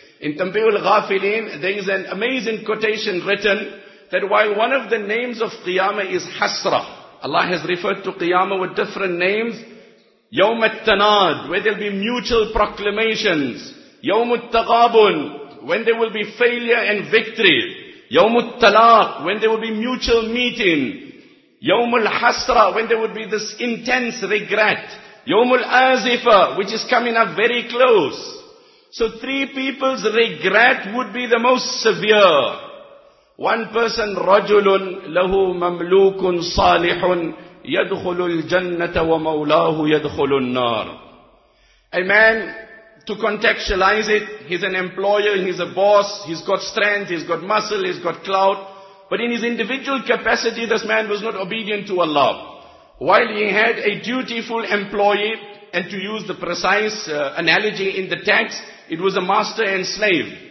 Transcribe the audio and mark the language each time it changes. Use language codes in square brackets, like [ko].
[en] In Tanbihul Ghafilin, there is an amazing quotation written that while one of the names of Qiyamah is Hasra, Allah has referred to Qiyamah with different names, Yawm al-Tanad, where there will be mutual proclamations, Yawm al-Taghabun, when there will be failure and victory, Yawm al-Talaq, when there will be mutual meeting, Yawm al-Hasra, when there will be this intense regret, Yawm al-Azifa, which is coming up very close. So three people's regret would be the most severe. One person, [ar] رَجُلٌ لَهُ مَمْلُوكٌ صَالِحٌ يَدْخُلُ الْجَنَّةَ وَمَوْلَاهُ يَدْخُلُ النَّارُ. [en] A man, to contextualize it, he's an employer, he's a boss, he's got strength, he's got muscle, he's got clout. But in his individual capacity, this man was not obedient to Allah. While he had a dutiful employee, and to use the precise analogy in the text, it was a master and slave.